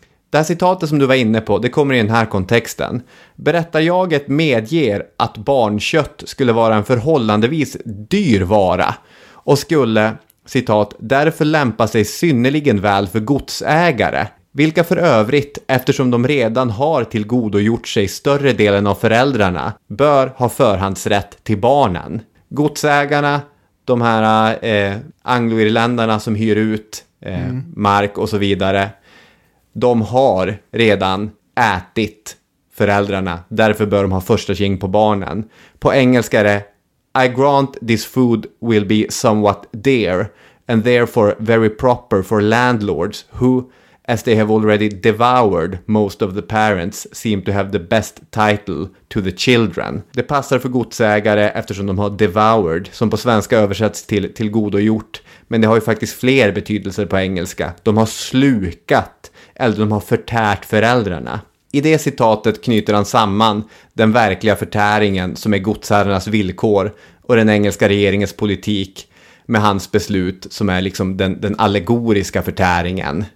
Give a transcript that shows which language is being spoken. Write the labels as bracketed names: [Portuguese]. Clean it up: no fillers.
[Swedish] Det här citatet som du var inne på, det kommer i den här kontexten. Berättar jaget medger att barnkött skulle vara en förhållandevis dyr vara och skulle, citat, därför lämpa sig synnerligen väl för godsägare, vilka för övrigt, eftersom de redan har tillgodogjort sig större delen av föräldrarna, bör ha förhandsrätt till barnen. Godsägarna, de här angloirländarna som hyr ut mark och så vidare, de har redan ätit föräldrarna, därför bör de ha första king på barnen. På engelska är det: [English] I grant this food will be somewhat dear, and therefore very proper for landlords who, as they have already devoured most of the parents, seem to have the best title to the children. [Swedish] Det passar för godsägare eftersom de har devoured, som på svenska översätts till tillgodogjort, men det har ju faktiskt fler betydelser på engelska. De har slukat, eller de har förtärt föräldrarna. I det citatet knyter han samman den verkliga förtäringen som är godsägarnas villkor och den engelska regeringens politik med hans beslut, som är liksom den allegoriska förtäringen.